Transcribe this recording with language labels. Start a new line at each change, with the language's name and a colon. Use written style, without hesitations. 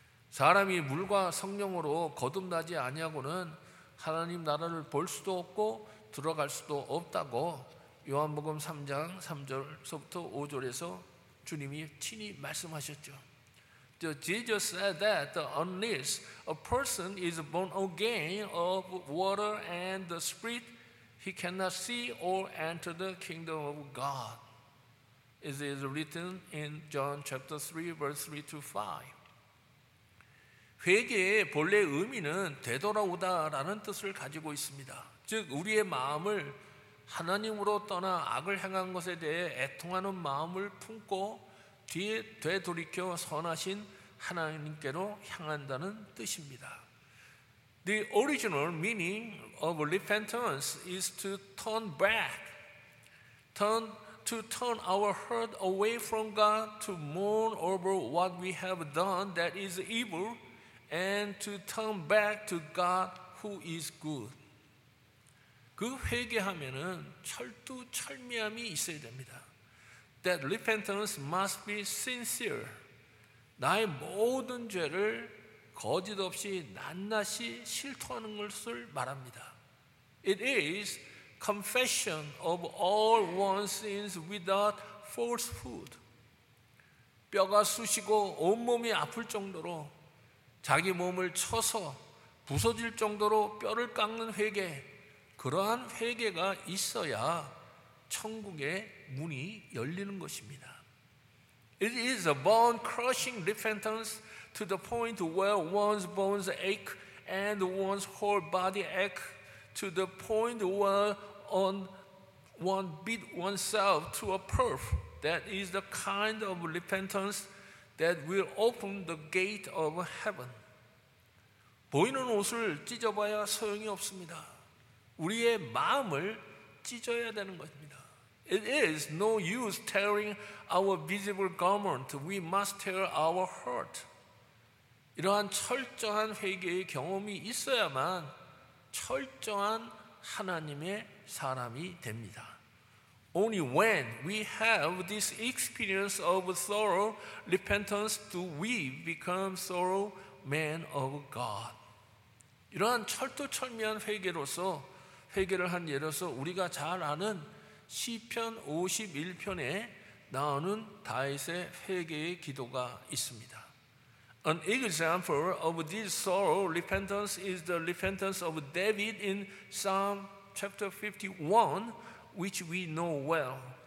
Korean: 사람이 물과 성령으로 거듭나지 아니하고는 하나님 나라를 볼 수도 없고 들어갈 수도 없다고 요한복음 3장 3절서부터 5절에서 주님이 친히 말씀하셨죠.
English: Jesus said that unless a person is born again of water and the Spirit, he cannot see or enter the kingdom of God. It is written in John chapter 3, verse 3 to 5.
Korean: 회개의 본래 의미는 되돌아오다라는 뜻을 가지고 있습니다. 즉 우리의 마음을 하나님으로 떠나 악을 행한 것에 대해 애통하는 마음을 품고 뒤에 되돌이켜 선하신 하나님께로 향한다는 뜻입니다.
English: The original meaning of repentance is to turn back, to turn our heart away from God, to mourn over what we have done that is evil, and to turn back to God who is good.
Korean: 그 회개하면은 철두철미함이 있어야 됩니다.
English: That repentance must be sincere.
Korean: 나의 모든 죄를 거짓없이 낱낱이 실토하는 것을 말합니다.
English: It is confession of all one's sins without falsehood.
Korean: 뼈가 쑤시고 온몸이 아플 정도로 자기 몸을 쳐서 부서질 정도로 뼈를 깎는 회개, 그러한 회개가 있어야 천국의 문이 열리는 것입니다.
English: It is a bone-crushing repentance to the point where one's bones ache and one's whole body ache to the point where one beat oneself to a pulp. That is the kind of repentance that will open the gate of heaven.
Korean: 보이는 옷을 찢어봐야 소용이 없습니다. 우리의 마음을 찢어야 되는 것입니다.
English: It is no use tearing our visible garment. We must tear our heart.
Korean: 이러한 철저한 회개의 경험이 있어야만 철저한 하나님의 사람이 됩니다.
English: Only when we have this experience of thorough repentance do we become thorough men of God.
Korean: 이러한 철두철미한 회개로서 회개를 한 예로서 우리가 잘 아는 시편 51편에 나오는 다윗의 회개의 기도가 있습니다.
English: An example of this sorrow repentance is the repentance of David in Psalm chapter 51, which we know well.